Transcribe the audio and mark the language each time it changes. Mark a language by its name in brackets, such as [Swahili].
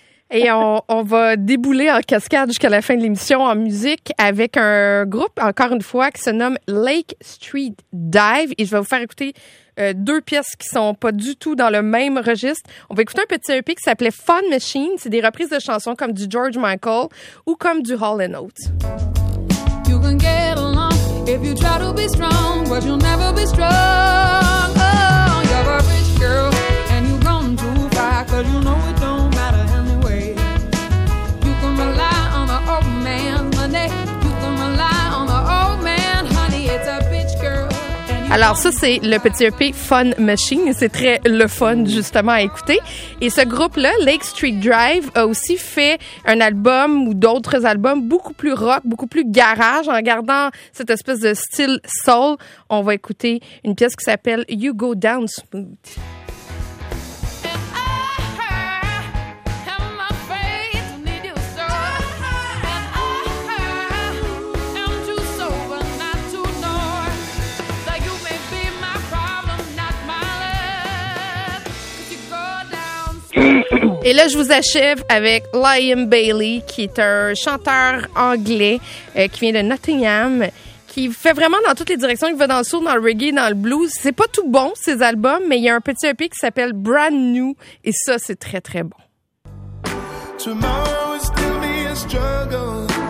[French] Et on va débouler en cascade jusqu'à la fin de l'émission en musique avec un groupe, encore une fois, qui se nomme Lake Street Dive. Et je vais vous faire écouter deux pièces qui sont pas du tout dans le même registre. On va écouter un petit EP qui s'appelait Fun Machine. C'est des reprises de chansons comme du George Michael ou comme du Hall & Oates. [English] You can get along. If you try to be strong, but you'll never be strong. Oh, you're a rich girl, and you've gone too far, 'cause you know it don't matter anyway. You can rely on the old man's money. [French] Alors ça, c'est le petit EP Fun Machine. C'est très le fun, justement, à écouter. Et ce groupe-là, Lake Street Drive, a aussi fait un album ou d'autres albums beaucoup plus rock, beaucoup plus garage, en gardant cette espèce de style soul. On va écouter une pièce qui s'appelle You Go Down Smooth. Et là, je vous achève avec Liam Bailey, qui est un chanteur anglais qui vient de Nottingham, qui fait vraiment dans toutes les directions. Il va dans le soul, dans le reggae, dans le blues. C'est pas tout bon, ses albums, mais il y a un petit EP qui s'appelle Brand New, et ça, c'est très, très bon. [English] Tomorrow is still be a struggle.